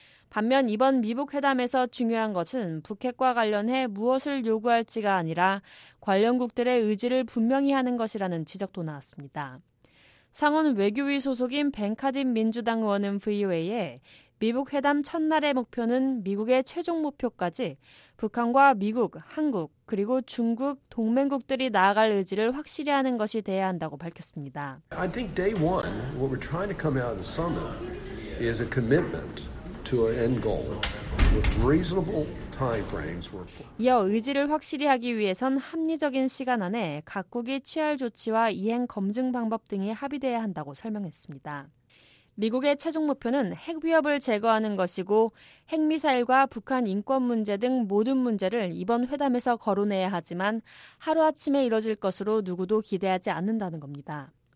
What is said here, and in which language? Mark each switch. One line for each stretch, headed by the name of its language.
Korean: 반면 이번 미북 회담에서 중요한 것은 북핵과 관련해 무엇을 요구할지가 아니라 관련국들의 의지를 분명히 하는 것이라는 지적도 나왔습니다. 상원 외교위 소속인 벤카딘 민주당 의원은 VOA에 미북 회담 첫날의 목표는 미국의 최종 목표까지 북한과 미국, 한국, 그리고 중국, 동맹국들이 나아갈 의지를 확실히 하는 것이 돼야 한다고 밝혔습니다.
English: I think day one, what we're trying to come out of the summit is a commitment to an end goal with reasonable time frames.
Korean: 이어 의지를 확실히 하기 위해선 합리적인 시간 안에 각국의 취할 조치와 이행 검증 방법 등이 합의돼야 한다고 설명했습니다. 미국의 최종 목표는 핵 위협을 제거하는 것이고 핵미사일과 북한 인권 문제 등 모든 문제를 이번 회담에서 거론해야 하지만 하루아침에 이뤄질 것으로 누구도 기대하지 않는다는 겁니다.